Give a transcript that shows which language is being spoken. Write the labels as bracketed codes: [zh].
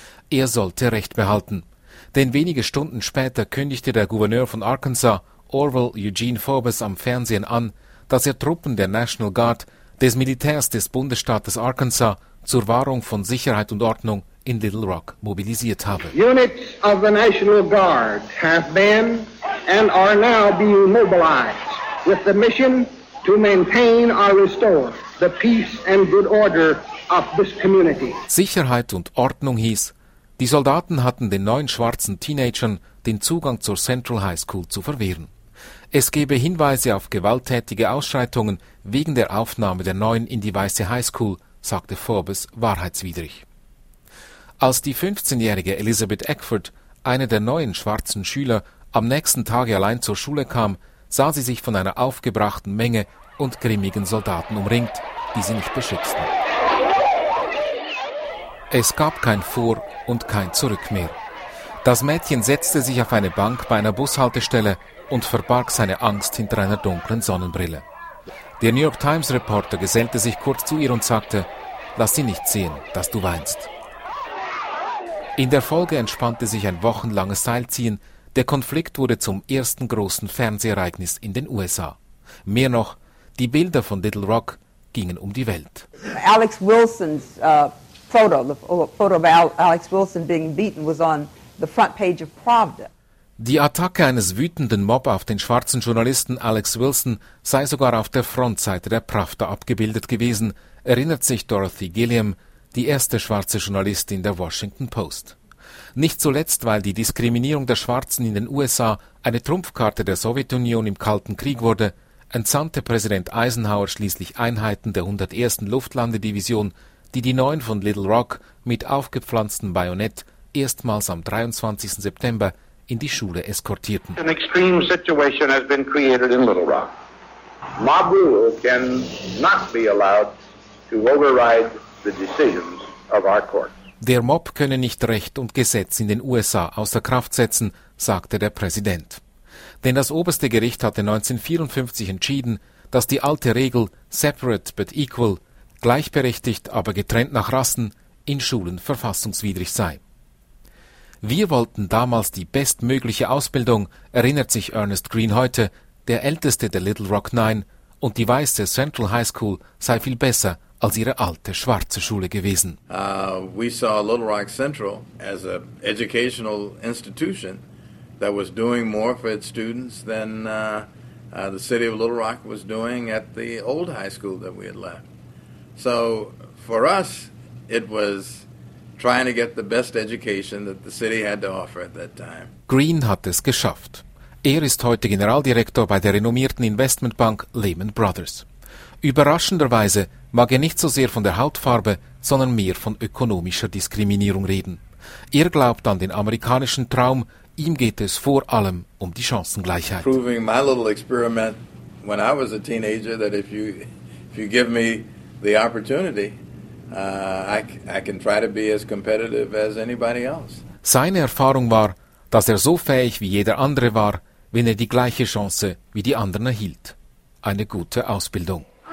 [de] Er sollte Recht behalten. Denn wenige Stunden später kündigte der Gouverneur von Arkansas, Orville Eugene Forbes, am Fernsehen an, dass er Truppen der National Guard, des Militärs des Bundesstaates Arkansas, zur Wahrung von Sicherheit und Ordnung in Little Rock mobilisiert habe. [en] Units of the National Guard have been and are now being mobilized with the mission to maintain or restore the peace and good order of this community. [de] Sicherheit und Ordnung hieß, die Soldaten hatten den 9 schwarzen Teenagern den Zugang zur Central High School zu verwehren. Es gebe Hinweise auf gewalttätige Ausschreitungen wegen der Aufnahme der 9 in die weiße High School, sagte Forbes wahrheitswidrig. Als die 15-jährige Elizabeth Eckford, eine der 9 schwarzen Schüler, am nächsten Tage allein zur Schule kam, sah sie sich von einer aufgebrachten Menge und grimmigen Soldaten umringt, die sie nicht beschützten. Es gab kein Vor und kein Zurück mehr. Das Mädchen setzte sich auf eine Bank bei einer Bushaltestelle und verbarg seine Angst hinter einer dunklen Sonnenbrille. Der New York Times Reporter gesellte sich kurz zu ihr und sagte: Lass sie nicht sehen, dass du weinst. In der Folge entspannte sich ein wochenlanges Seilziehen. Der Konflikt wurde zum ersten großen Fernsehereignis in den USA. Mehr noch, die Bilder von Little Rock gingen um die Welt. [en] Alex Wilson's photo, the photo of Alex Wilson being beaten was on the front page of Pravda. [de] Die Attacke eines wütenden Mob auf den schwarzen Journalisten Alex Wilson sei sogar auf der Frontseite der Pravda abgebildet gewesen, erinnert sich Dorothy Gilliam, die erste schwarze Journalistin der Washington Post. Nicht zuletzt, weil die Diskriminierung der Schwarzen in den USA eine Trumpfkarte der Sowjetunion im Kalten Krieg wurde, entsandte Präsident Eisenhower schließlich Einheiten der 101. Luftlandedivision, die die neuen von Little Rock mit aufgepflanztem Bajonett erstmals am 23. September in die Schule eskortierten. [en] An extreme situation has been created in Little Rock. Mob rule can not be allowed to override the decisions of our court. [de] Der Mob könne nicht Recht und Gesetz in den USA außer Kraft setzen, sagte der Präsident. Denn das oberste Gericht hatte 1954 entschieden, dass die alte Regel [en] «separate but equal», [de] gleichberechtigt aber getrennt nach Rassen, in Schulen verfassungswidrig sei. Wir wollten damals die bestmögliche Ausbildung, erinnert sich Ernest Green heute, der älteste der Little Rock Nine, und die weiße Central High School sei viel besser als ihre alte schwarze Schule gewesen. [en] We saw Little Rock Central as an educational institution that was doing more for its students than the city of Little Rock was doing at the old high school that we had left. So for us, it was trying to get the best education that the city had to offer at that time. [de] Green hat es geschafft. Ist heute Generaldirektor bei der renommierten Investmentbank Lehman Brothers. Überraschenderweise mag nicht so sehr von der Hautfarbe, sondern mehr von ökonomischer Diskriminierung reden. Glaubt an den amerikanischen Traum, ihm geht es vor allem die Chancengleichheit. [en] Proving my little experiment when I was a teenager that if you give me the opportunity, I can try to be as competitive as anybody else. [de] Seine Erfahrung war, dass so fähig wie jeder andere war, wenn die gleiche Chance wie die anderen erhielt. Eine gute Ausbildung.